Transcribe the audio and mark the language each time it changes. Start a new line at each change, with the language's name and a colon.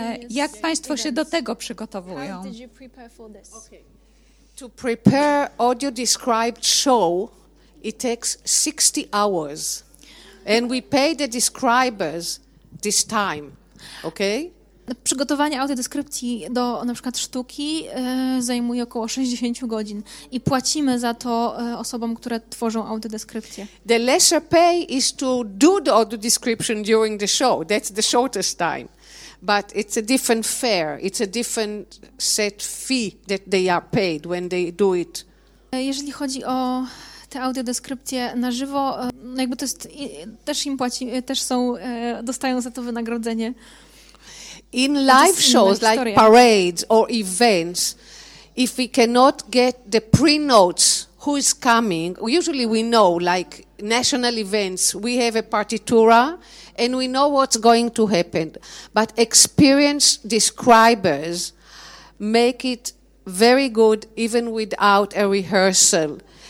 Polish: Jak państwo się do tego przygotowują?
English: How did you prepare for this? Okay. To prepare audio described show, it takes 60 hours. And we pay the describers this time, okay?
Polish: Przygotowanie audiodeskrypcji do na przykład sztuki zajmuje około 60 godzin i płacimy za to osobom, które tworzą audiodeskrypcję.
English: The lesser pay is to do the audio description during the show. That's the shortest time. But it's a different fare. It's a different set fee that they are paid when they do it.
Polish: Jeżeli chodzi o te audiodeskrypcje na żywo, jakby to jest, też im płaci, też są, dostają za to wynagrodzenie.
English: In live shows, like parades or events, if we cannot get the pre-notes who is coming, usually we know, like national events, we have a partitura and we know what's going to happen. But experienced describers make it very good even without a rehearsal.